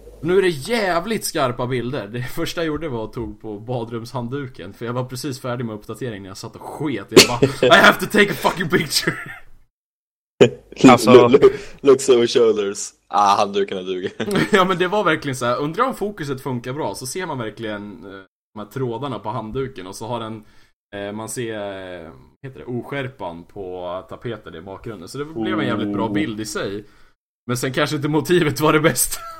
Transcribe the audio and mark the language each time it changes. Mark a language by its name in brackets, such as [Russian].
[Swedish] Nu är det jävligt skarpa bilder. Det första jag gjorde var att tog på badrumshandduken. För jag var precis färdig med uppdateringen. Jag satt och sket. Jag bara, [English] I have to take a fucking picture. [Swedish] Alltså... [English] looks over shoulders. [Swedish] Ah, handduken är dugen. Ja, men det var verkligen så här. Undrar om fokuset funkar bra. Så ser man verkligen de här trådarna på handduken. Och så har den... man ser, heter det, oskärpan på tapeten i bakgrunden. Så det blev en jävligt bra bild i sig. Men sen kanske inte motivet var det bäst.